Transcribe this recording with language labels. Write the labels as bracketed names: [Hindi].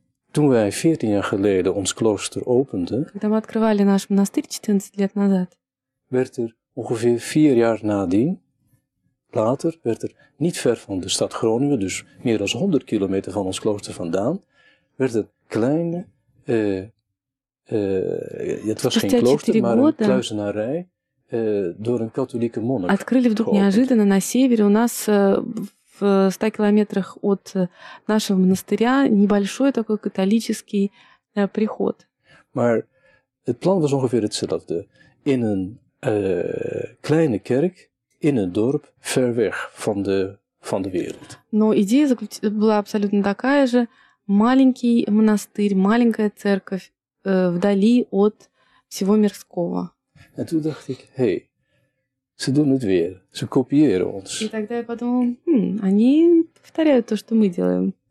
[Dutch] Toen wij 14 jaar geleden ons klooster openden. [Russian] Когда мы открывали наш монастырь 14 лет назад. [Dutch] Werd er ongeveer 4 jaar nadien, later, werd er niet ver van de stad Groningen, dus meer dan 100 kilometer van ons klooster vandaan, werd een kleine, het was geen klooster, maar een kluizenarij, door een katholieke monnik. [Russian] Открыли вдруг неожиданно на севере у нас в 100 километрах от нашего монастыря небольшой такой католический приход. [Dutch] Maar het plan was ongeveer hetzelfde. In een kleine kerk in een dorp ver weg van de wereld. [Russian] Но идея была абсолютно такая же. Маленький монастырь, маленькая церковь вдали от всего мирского. [Dutch] En toen dacht ik, hey, ze doen het weer. Ze kopiëren ons. [Russian] И тогда я подумал, они повторяют то, что мы делаем.